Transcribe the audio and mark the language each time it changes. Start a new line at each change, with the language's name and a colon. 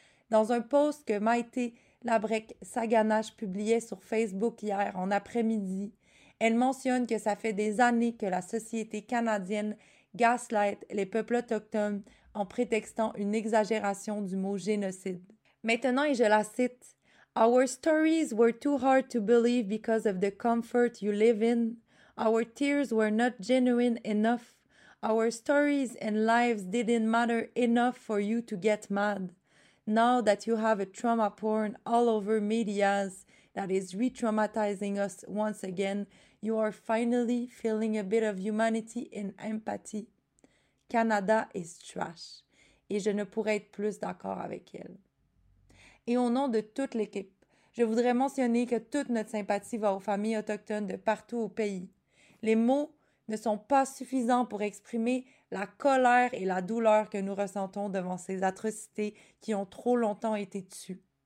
French: Dans un post que Maïté Labrecque-Saganache publiait sur Facebook hier en après-midi, elle mentionne que ça fait des années que la société canadienne gaslight les peuples autochtones en prétextant une exagération du mot génocide.
English: Maintenant, et je la cite, « Our stories were too hard to believe because of the comfort you live in. Our tears were not genuine enough. Our stories and lives didn't matter enough for you to get mad. Now that you have a trauma porn all over medias that is re-traumatizing us once again, you are finally feeling a bit of humanity and empathy. Canada is trash.
French: » Et je ne pourrais être plus d'accord avec elle. Et au nom de toute l'équipe, je voudrais mentionner que toute notre sympathie va aux familles autochtones de partout au pays. Les mots ne sont pas suffisants pour exprimer la colère et la douleur que nous ressentons devant ces atrocités qui ont trop longtemps été tues.